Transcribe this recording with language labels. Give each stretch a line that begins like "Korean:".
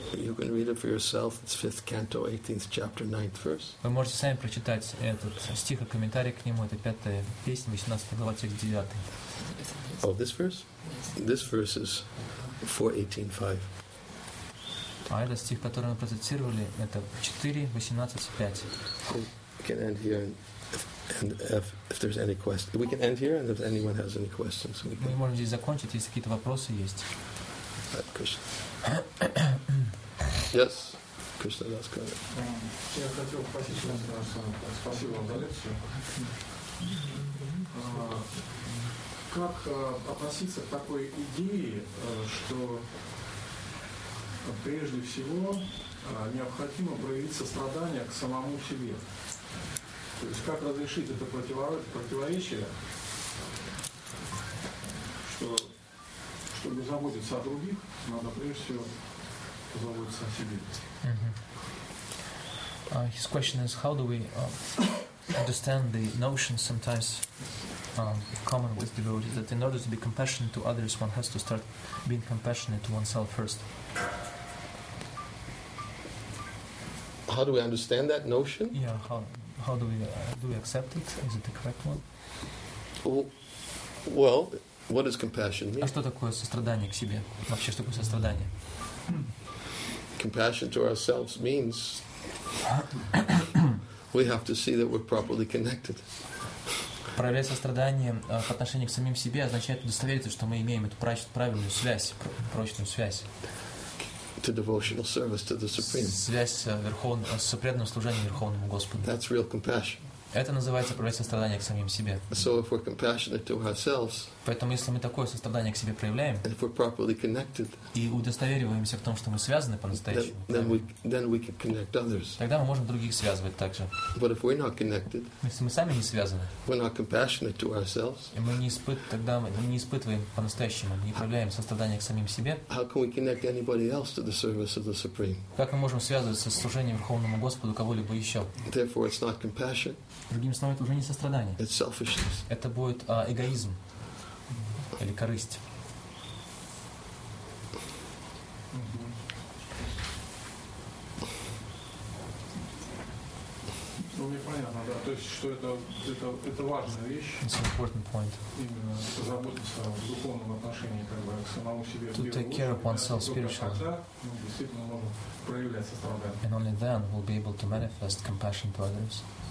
English: You can read it for yourself. It's 5th canto, 18th chapter, 9th verse.
Russian: Вы можете сами прочитать этот стих и комментарий к нему. Это 5-я песня, 18 глава, 9.
English: Oh, this verse? This verse is 4:18, 5.
Russian: А этот стих, который мы процитировали, это 4:18:5.
English: We can end here, and if there's any questions, we can end here, and if anyone has any questions, we can.
Russian: Мы можем здесь закончить, если какие-то вопросы есть. Кришна.
English: Yes, Кришна, that's correct.
Russian: Я хотел спросить вас, спасибо вам за лекцию. Как относиться к такой идее, что прежде всего необходимо проявить сострадание к самому себе. То есть как разрешить это противоречие, что чтобы заботиться о других, надо прежде всего заботиться о себе.
English: His question is, how do we understand the notion sometimes common with devotees that in order to be compassionate to others, one has to start being compassionate to oneself first? How do we understand that notion? Yeah, how do we accept it? Is it the correct one? Well, what is compassion mean?
Russian: А что такое сострадание к себе? Вообще, что такое сострадание?
English: Compassion to ourselves means we have to see that we're properly connected.
Russian: Проявлять сострадание по отношению к самим себе означает удостовериться, что мы имеем эту правильную связь, прочную связь.
English: to devotional service to the Supreme.
Russian: Связь с преданным служением Верховному Господу.
English: That's real compassion.
Russian: Это называется проявить сострадание к самим себе.
English: So if we're compassionate to ourselves,
Russian: поэтому если мы такое сострадание к себе проявляем,
English: and if we're properly connected,
Russian: и удостовериваемся в том, что мы связаны по-настоящему,
English: then we can connect others.
Russian: Тогда мы можем других связывать также.
English: But if we're not connected,
Russian: если мы сами не связаны,
English: we're not compassionate to ourselves,
Russian: и мы не испытываем по-настоящему, не проявляем сострадание к самим себе,
English: how can we connect anybody else to the service of the Supreme?
Russian: Как мы можем связываться с служением Верховному Господу кого-либо еще?
English: Therefore, it's not compassion.
Russian: Другими словами, это уже не сострадание.
English: It's selfishness.
Russian: Это будет эгоизм или корысть. Ну, мне понятно, да. То есть, что это важная вещь.
English: It's an important point.
Russian: Именно заботиться в духовном отношении, как бы, к самому себе.
English: To take care of oneself spiritually.
Russian: Только тогда мы действительно можем проявлять сострадание.
English: And only then we'll be able to manifest compassion to others.